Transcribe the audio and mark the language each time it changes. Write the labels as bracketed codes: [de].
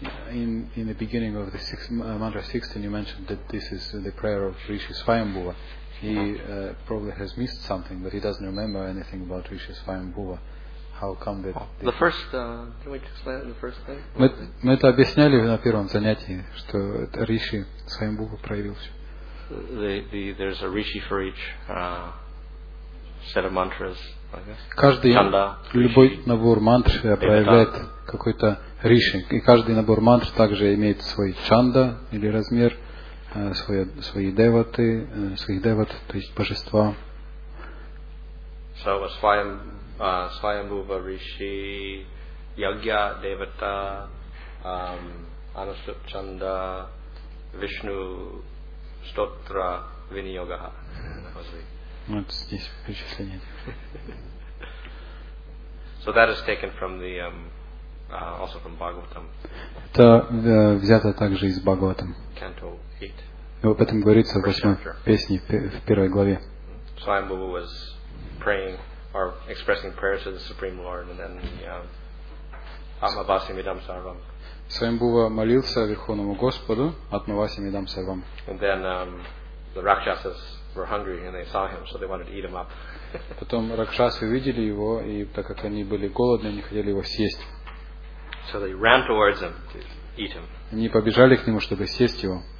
[en] In the beginning of the six, mantra 16, you mentioned that this is the prayer of Rishi Svayambhuva. He probably has missed something, but he doesn't remember anything about Rishi Svayambhuva. How come that? The first, can we explain it in the first thing? [ru] Мы это объясняли на первом занятии, что Риши Свайамбхува проявился. [en] There's a Rishi for each set of mantras, I guess. [ru] Каждый, Kanda, любой Rishi, набор мантр проявляет какой-то риши, и каждый набор мантр также имеет свой чанда или размер, свои деваты, своих деват, то есть божества. [en] So Svayambhuva Rishi, Yagya Devata, Anusup Chanda, Vishnu Stotra Viniyoga. [ru] Вот здесь перечисление. [en] So that is taken from the also from Bhagavatam. [ru] Это взято также из Бхагаватам. [en] Canto 8. [ru] Об этом говорится в восьмой песне в первой главе. [en] Svayambhuva was praying or expressing prayers to the Supreme Lord, and then Atmavasya Midam Sarvam. [ru] Svayambhuva молился Верховному Господу, Atmavasya Midam Sarvam. [en] And then the Rakshasas were hungry and they saw him, so they wanted to eat him up. [ru] Потом Ракшасы увидели его, и так как они были голодны, они хотели его съесть. [en] So they ran towards him to eat him. [ru] Они побежали к нему, чтобы съесть его.